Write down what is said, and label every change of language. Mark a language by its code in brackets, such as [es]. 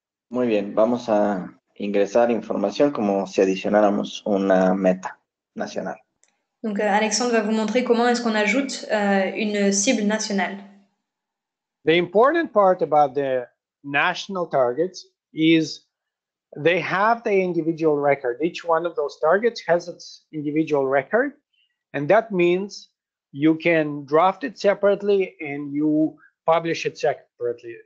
[es] Muy bien, vamos a ingresar información como si adicionáramos una meta nacional. [fr] Donc Alexandre va vous montrer comment est-ce qu'on ajoute une cible nationale. [en] The important part about the national targets is they have the individual record. Each one of those targets has its individual record, and that means you can draft it separately and you publish it separately.